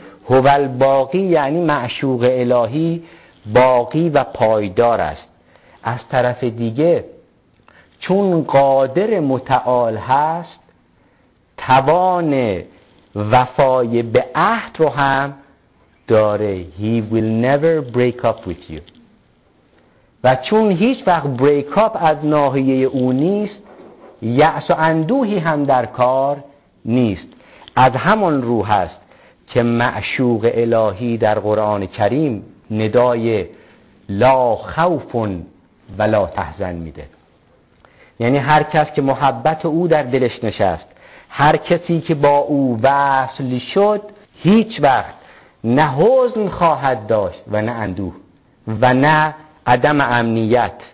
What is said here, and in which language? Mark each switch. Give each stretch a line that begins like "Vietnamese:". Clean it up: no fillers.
Arabic: هو الباقی
Persian: یعنی معشوق الهی باقی و پایدار است. از طرف دیگه چون قادر متعال هست، توان وفای به عهد رو هم داره.
English: He will never break up with you.
Persian: و چون هیچ وقت
English: break up
Persian: از ناحیه او نیست، یأس و اندوهی هم در کار نیست. از همان رو هست که معشوق الهی در قرآن کریم ندای
Arabic: لا خوف ولا تحزن
Persian: میده، یعنی هر کس که محبت او در دلش نشست، هر کسی که با او وصل شد، هیچ وقت نه حزن خواهد داشت و نه اندوه و نه عدم امنیت.